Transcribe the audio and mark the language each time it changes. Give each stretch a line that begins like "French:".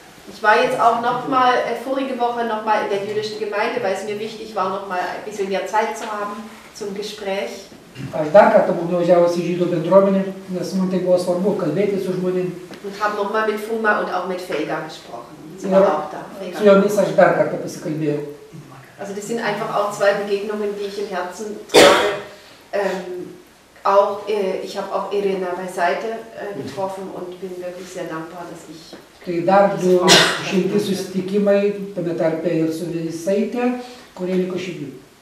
German: ich war jetzt auch noch mal vorige Woche noch mal in der jüdischen Gemeinde, weil es mir wichtig war, noch mal ein bisschen mehr Zeit zu haben zum Gespräch.
Lithuanian: Aš dar kartą buvau nuvažiavęs į žydų bendruomenę, nes man tai buvo svarbu kalbėti su žmonėmis.
German: Und habe noch mal mit Fuma und auch mit Felga gesprochen. Sie war auch da.
Lithuanian: Su jomis aš dar kartą pasikalbėjau.
German: Also das sind einfach auch zwei Begegnungen, die ich im Herzen trage. Auch, ich habe auch Irina beiseite getroffen und bin wirklich sehr dankbar, dass ich...
Lithuanian: Tai dar du šilti susitikimai, tame tarpe ir su Veisaitė, kurie liko širdį.